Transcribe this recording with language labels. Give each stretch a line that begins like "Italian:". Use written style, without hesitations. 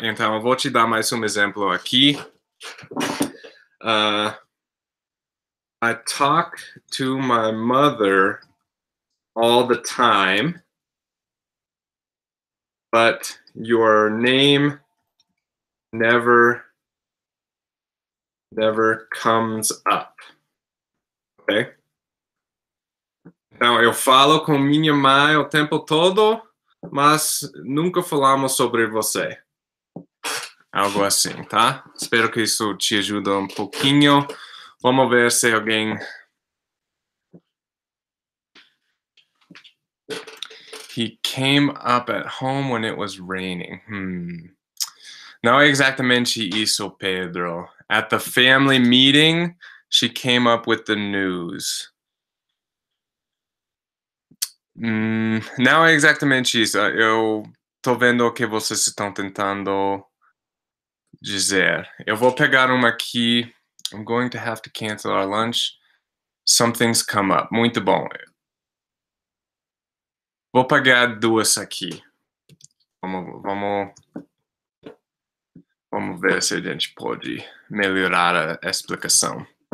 Portuguese: Então, eu vou te dar mais exemplo aqui.
English: I talk to my mother all the time. But your name never comes up. Okay?
Portuguese: Então, eu falo com minha mãe o tempo todo, mas nunca falamos sobre você. Algo assim, tá? Espero que isso te ajude um pouquinho. Vamos ver se alguém...
English: He came up at home when it was raining.
Portuguese: Não é exatamente isso, Pedro.
English: At the family meeting, she came up with the news.
Portuguese: Não é exatamente isso. Eu tô vendo o que vocês estão tentando dizer. Eu vou pegar uma aqui.
English: I'm going to have to cancel our lunch. Something's come up.
Portuguese: Muito bom. Vou pegar duas aqui. Vamos ver se a gente pode melhorar a explicação.